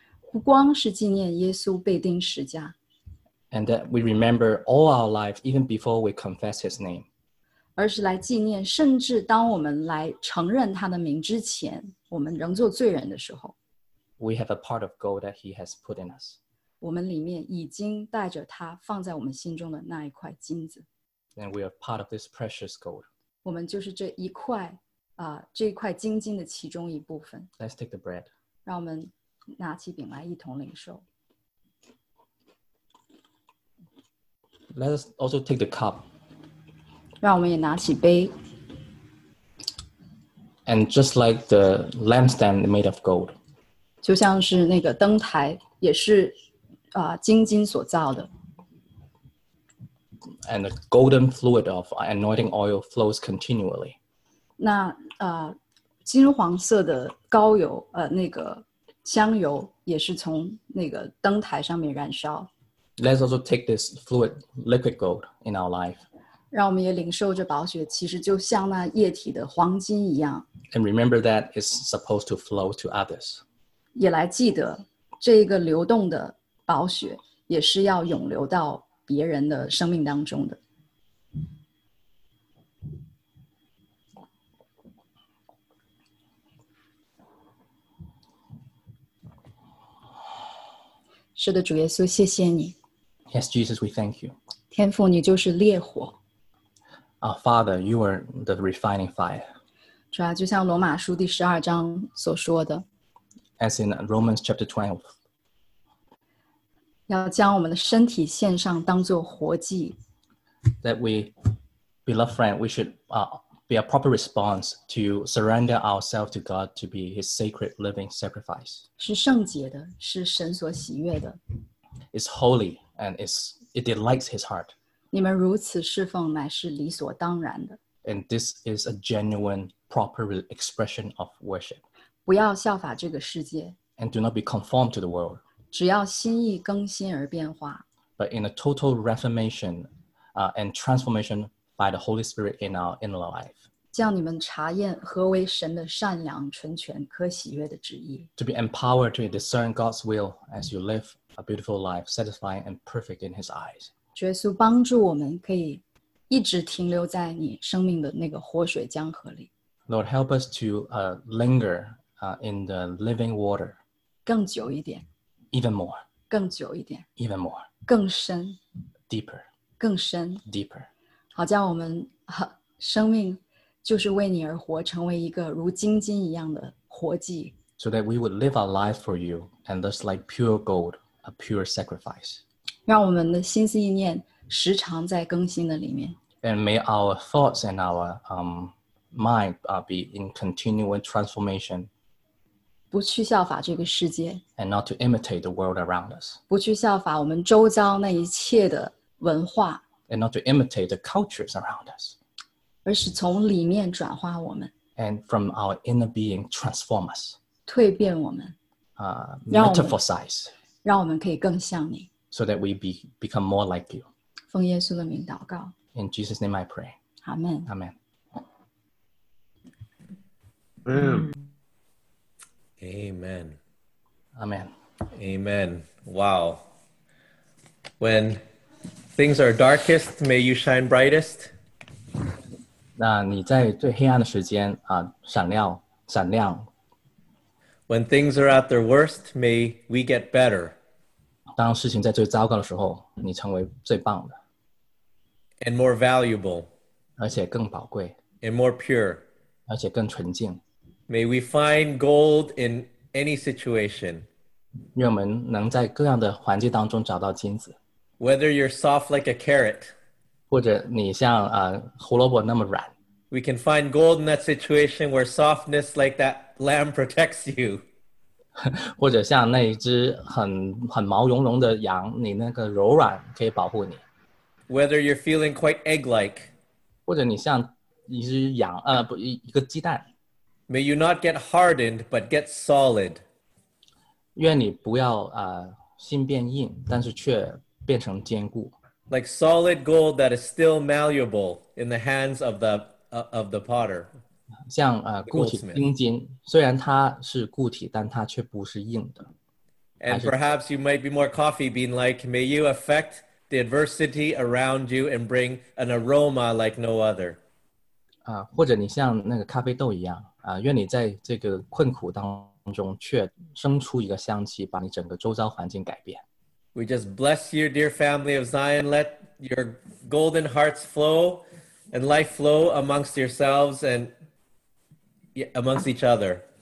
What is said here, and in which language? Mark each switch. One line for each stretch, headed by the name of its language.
Chinese: 不光是纪念耶稣被钉十字架。
English: And that we remember all our life even before we confess his name.
Chinese: 而是来纪念甚至当我们来承认他的名之前我们仍做罪人的时候。
English: We have a part of gold that he has put in us.
Chinese: 我们里面已经带着他放在我们心中的那一块金子。
English: And we are part of this precious gold.
Chinese: 我们就是这一块这一块金金的其中一部分。
English: Let's take the bread.
Chinese: 让我们拿起饼来一同领受。
English: Let us also take the cup.
Chinese: 让我们也拿起杯。
English: And just like the lampstand made of gold.
Chinese: 就像是那个灯台也是金金所造的。
English: And the golden fluid of anointing oil flows continually.
Chinese: 那金黄色的膏油那个香油也是从那个灯台上面燃烧。
English: Let's also take this fluid, liquid gold in our life.
Chinese: 让我们也领受着宝血，其实就像那液体的黄金一样。
English: And remember that it's supposed to flow to others.
Chinese: 也来记得这个流动的宝血也是要涌流到别人的生命当中的。是的，主耶稣，谢谢你。
English: Yes, Jesus, we thank you.
Chinese: 天父，你就是烈火。
English: Our Father, you are the refining fire.
Chinese: 主啊，就像罗马书第十二章所说的。
English: As in Romans chapter 12.
Chinese: 要将我们的身体献上当作活祭。
English: That we, beloved friend, we should be a proper response to surrender ourselves to God to be his sacred living sacrifice.
Chinese: 是圣洁的，是神所喜悦的。
English: It's holy and it delights his heart.
Chinese: 你们如此侍奉乃是理所当然的。
English: And this is a genuine, proper expression of worship.
Chinese: 不要效法这个世界。
English: And do not be conformed to the world.
Chinese: 只要心意更新而变化。
English: But in a total reformation, and transformation by the Holy Spirit in our inner life.
Chinese: 叫你们查验何为神的善良、纯全、可喜悦的旨意。
English: To be empowered to discern God's will as you live a beautiful life, satisfying and perfect in His eyes.
Chinese: 主耶稣帮助我们可以一直停留在你生命的那个活水江河里。
English: Lord, help us to linger in the living water.
Chinese: 更久一点。
English: Even more.
Chinese: 更久一点。
English: Even more.
Chinese: 更深。
English: Deeper.
Chinese: 更深。
English: Deeper.
Chinese: 好像我们生命就是为你而活，成为一个如金金一样的活祭。
English: so that we would live our life for you, and thus like pure gold, a pure sacrifice.
Chinese: 让我们的心思意念时常在更新的里面。
English: And may our thoughts and our mind be in continual transformation.
Chinese: 不去效法这个世界。
English: And not to imitate the world around us.
Chinese: 不去效法我们周遭那一切的文化。
English: And not to imitate the cultures around us.
Chinese: 而是从里面转化我们。
English: And from our inner being, transform us.
Chinese: 蜕变我们。
English: Metamorphosize.
Chinese: 让我们可以更像你。
English: So that we become more like you.
Chinese: 奉耶稣的名祷告。
English: In Jesus' name I pray. Amen. Amen. Amen. Amen. Amen. Wow. When things are darkest, may you shine brightest.
Chinese: 那你在最黑暗的时间啊，闪亮，闪亮。
English: When things are at their worst, may we get better.
Chinese: 当事情在最糟糕的时候，你成为最棒的。
English: And more valuable.
Chinese: 而且更宝贵。
English: And more pure.
Chinese: 而且更纯净。
English: May we find gold in any situation.
Chinese: 愿我们能在各样的环境当中找到金子。
English: Whether you're soft like a carrot.
Chinese: 或者你像胡萝卜那么软。
English: We can find gold in that situation where softness like that lamb protects you.
Chinese: 或者像那一只很毛茸茸的羊，你那个柔软可以保护你。
English: Whether you're feeling quite egg-like.
Chinese: 或者你像一只羊，不，一个鸡蛋。
English: May you not get hardened, but get solid.
Chinese: 愿你不要心变硬，但是却变成坚固。
English: Like solid gold that is still malleable in the hands of the potter.
Chinese: 像固体钉金，虽然它是固体，但它却不是硬的。
English: And perhaps you might be more coffee bean-like. May you affect the adversity around you and bring an aroma like no other.
Chinese: 或者你像那个咖啡豆一样。愿你在这个困苦当中却生出一个香气，把你整个周遭环境改变。
English: We just bless you, dear family of Zion. Let your golden hearts flow and life flow amongst yourselves and amongst each other.